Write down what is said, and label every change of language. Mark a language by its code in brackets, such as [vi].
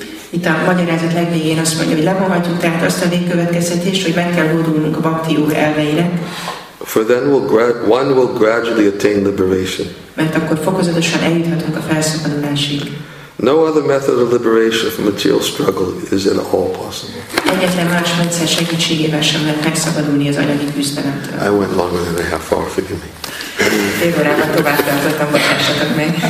[hu] Itt a magyarázat legvégén azt mondja, hogy levonhatjuk tehát azt a végkövetkeztetést, hogy meg kell hódulnunk a bhakti yoga elveinek. [en] For then one will gradually attain liberation. [hu] Mert akkor fokozatosan eljuthatunk a felszabadulásig. [en] No other method of liberation from material struggle is at all possible. [hu] Egyetlen más módszer segítségével sem lehet megszabadulni az anyagi küzdelemtől. [en] I went longer than a half hour, forgive me. [hu] Fél órába tovább tartottam, bocsássatok meg.